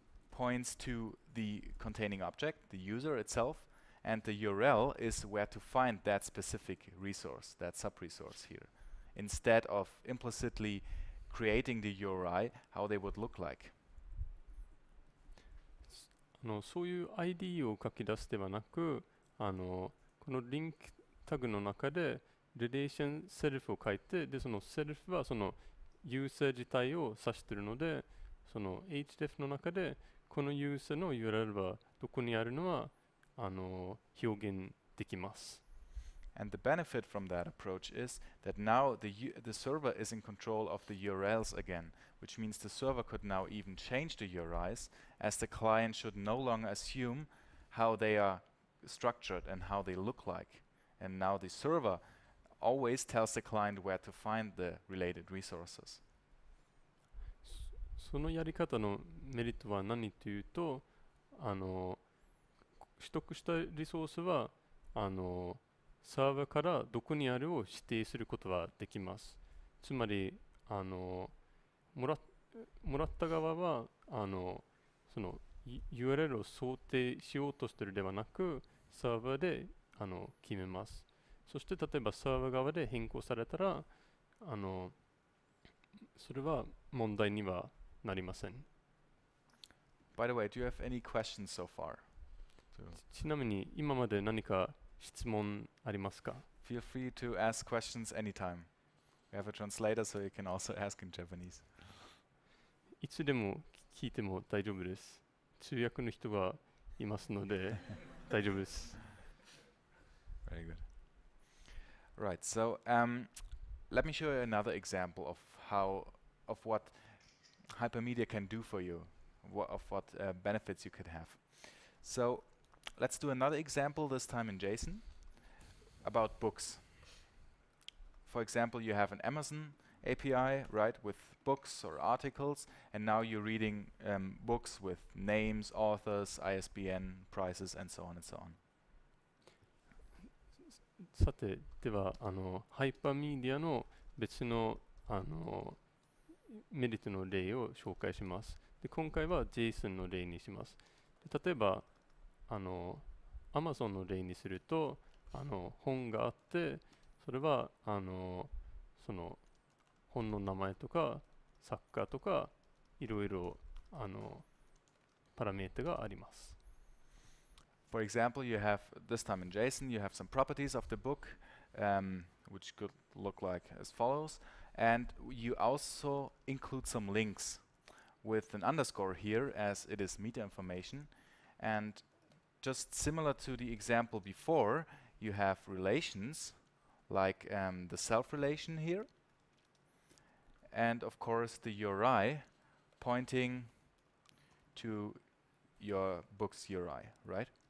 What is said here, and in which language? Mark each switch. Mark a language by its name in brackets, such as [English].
[English] points to the containing object, the user itself, and the URL is where to find that specific resource, that sub-resource here, instead of implicitly creating the URI, how they would look like. [Japanese] あの、そういう ID を書き出すではなく、あの、このリンクタグの中で、リレーションセルフを書いて、で、そのセルフはそのユーザー自体を指しているので、その HDF の中で、このユーザーの URL はどこにあるのは、あの、表現できます。 [English] And the benefit from that approach is that now the server is in control of the URLs again, which means the server could now even change the URIs, as the client should no longer assume how they are structured and how they look like. And now the server always tells the client where to find the related resources. [Japanese] そのやり方のメリットは何というと、あの、取得したリソースは、あの、サーバーからどこにあるを指定することはできます。つまり、あの、もらった側は、あの、その URL を想定しようとしているではなく、サーバーで、あの、決めます。そして、例えばサーバー側で変更されたら、あの、それは問題にはなりません。 [English] By the way, do you have any questions so far? [Japanese] ちなみに、今まで何か質問ありますか? [English] Feel free to ask questions anytime. We have a translator, so you can also ask in Japanese. [Japanese] いつでも聞いても大丈夫です。通訳の人がいますので大丈夫です。 [English] Very good. Right, so let me show you another example of what Hypermedia can do for you, of what benefits you could have. So let's do another example, this time in JSON, about books. For example, you have an Amazon API, right, with books or articles, and now you're reading books with names, authors, ISBN, prices, and so on and so on. [Japanese] さて、では、あの、Hypermedia の別の、あの、メリットの例を紹介します。で、今回は JSON の例にします。で、例えば、あの、アマゾンの例にすると、あの、本があって、それは、あの、その、本の名前とか、作家とか、いろいろ、あの、パラメータがあります。 [English] For example, you have, this time in JSON, you have some properties of the book, which could look like as follows, and you also include some links with an underscore here, as it is meta information, and just similar to the example before, you have relations like the self relation here, and of course the URI pointing to your book's URI, right?